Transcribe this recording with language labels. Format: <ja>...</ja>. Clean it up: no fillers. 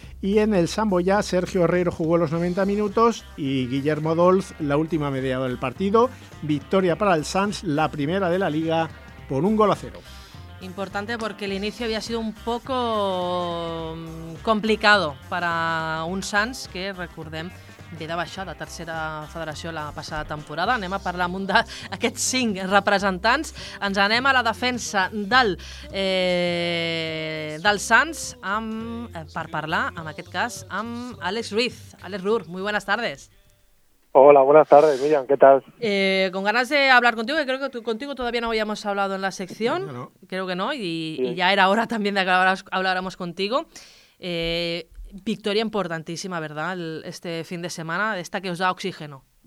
<es>Y en el Samboyá, Sergio Herrero jugó los 90 minutos y Guillermo Dolz la última media hora del partido. Victoria para el Sans, la primera de la liga, por 1-0. Importante, porque el inicio había sido un poco complicado para un Sans que,</es> <ca>recordem, ve de baixar la tercera federació la passada temporada. Anem a parlar amb un d'aquests 5 representants. Ens anem a la defensa del Sants per parlar, en aquest cas, amb Àlex Ruiz.</ca> <es>Àlex Rur, muy buenas tardes. Hola, buenas tardes, Miriam, ¿qué tal? Con ganas de hablar contigo, que creo que contigo todavía no habíamos hablado en la sección. No. Creo que no, y ya era hora también de que habláramos contigo. Victoria importantísima, ¿verdad? Este fin de semana, esta que os da oxígeno.</es>